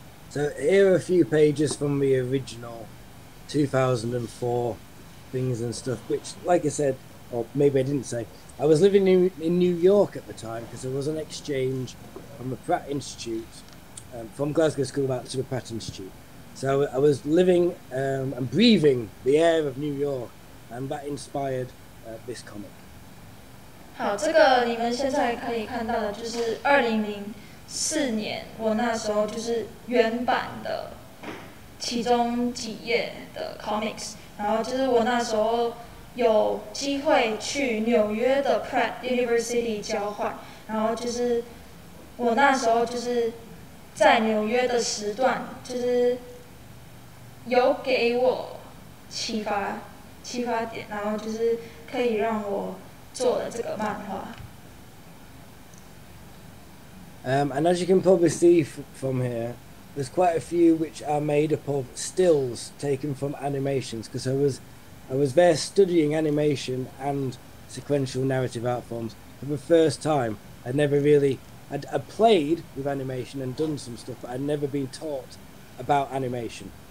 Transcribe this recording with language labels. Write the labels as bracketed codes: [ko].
[en] So here are a few pages from the original 2004 things and stuff, which like I said, or maybe I didn't say, I was living in New York at the time because there was an exchange from the Pratt Institute, from Glasgow School of Arts to the Pratt Institute. So I was living and breathing the air of New York, and that inspired this comic. [zh] 好，这个你们现在可以看到的就是2004年，我那时候就是原版的其中几页的 comics， 然后就是我那时候有机会去纽约的 Pratt University 交换，然后就是我那时候就是在纽约的时段，就是有给我启发点，然后就是可以让我做了这个漫画。 [en] And as you can probably see from here, there's quite a few which are made up of stills taken from animations, because I was there studying animation and sequential narrative art forms for the first time. I'd played with animation and done some stuff, but I'd never been taught about animation.